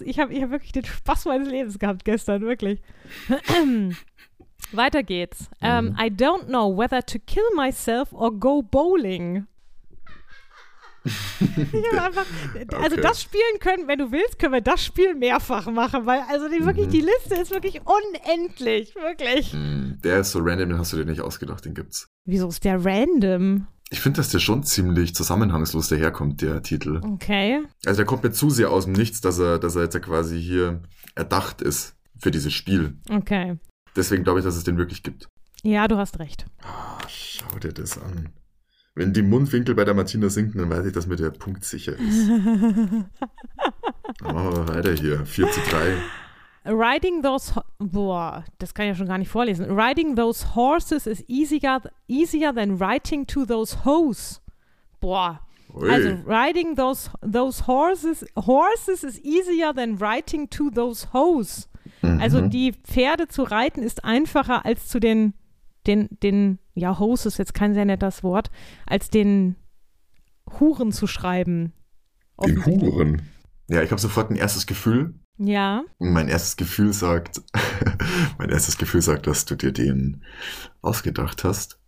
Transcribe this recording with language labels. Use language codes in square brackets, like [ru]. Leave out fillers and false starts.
[de] Ich hab wirklich den Spaß meines Lebens gehabt gestern, wirklich. Weiter geht's. [en] I don't know whether to kill myself or go bowling. [de] Ich habe einfach, also okay. Das spielen können, wenn du willst, können wir das Spiel mehrfach machen, weil also die, wirklich, die Liste ist wirklich unendlich, wirklich. Mm, der ist so random, den hast du dir nicht ausgedacht, den gibt's. Wieso ist der random? Ich finde, dass der schon ziemlich zusammenhangslos daherkommt, der Titel. Okay. Also der kommt mir zu sehr aus dem Nichts, dass er jetzt quasi hier erdacht ist für dieses Spiel. Okay. Deswegen glaube ich, dass es den wirklich gibt. Ja, du hast recht. Oh, schau dir das an. Wenn die Mundwinkel bei der Martina sinken, dann weiß ich, dass mir der Punkt sicher ist. Machen wir weiter hier. 4-3. [en] Riding those... [de] Boah, das kann ich ja schon gar nicht vorlesen. [en] Riding those horses is easier than writing to those hoes. [de] Boah. Ui. [en] Also, riding those horses is easier than writing to those hoes. Mhm. [de] Also, die Pferde zu reiten ist einfacher als zu den ja, Hose ist jetzt kein sehr nettes Wort, als den Huren zu schreiben. Den Huren? Ja, ich habe sofort ein erstes Gefühl. Ja. Und mein erstes Gefühl sagt, mein erstes Gefühl sagt, dass du dir den ausgedacht hast.